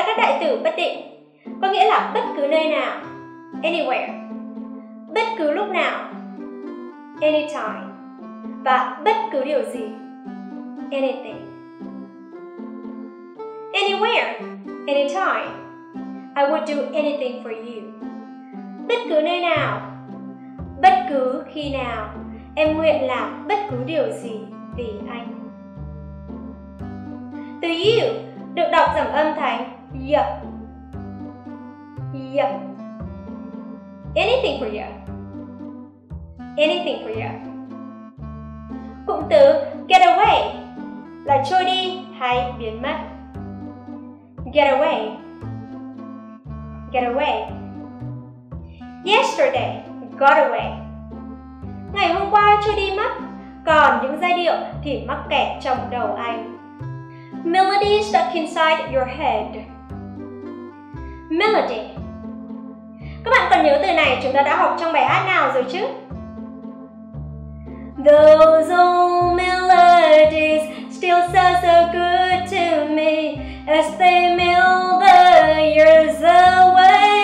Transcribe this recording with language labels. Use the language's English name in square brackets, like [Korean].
[Vietnamese] là các đại từ bất định, có nghĩa là bất cứ nơi nào, anywhere, bất cứ lúc nào, anytime, và bất cứ điều gì, anything. [English] Anywhere, anytime, I would do anything for you. [Vietnamese] Bất cứ nơi nào, bất cứ khi nào, em nguyện làm bất cứ điều gì vì anh. Từ you được đọc giảm âm thanh yup, yup. [English] Anything for you, anything for you. [Vietnamese] Cụm từ get away là trôi đi hay biến mất. [English] Get away, get away. Yesterday got away. [Vietnamese] Ngày hôm qua trôi đi mất. Còn những giai điệu thì mắc kẹt trong đầu anh. [English] Melody stuck inside your head. Melody. [Vietnamese] Các bạn còn nhớ từ này chúng ta đã học trong bài hát nào rồi chứ? [English] Those old melodies still sound so good to me as they mill the years away.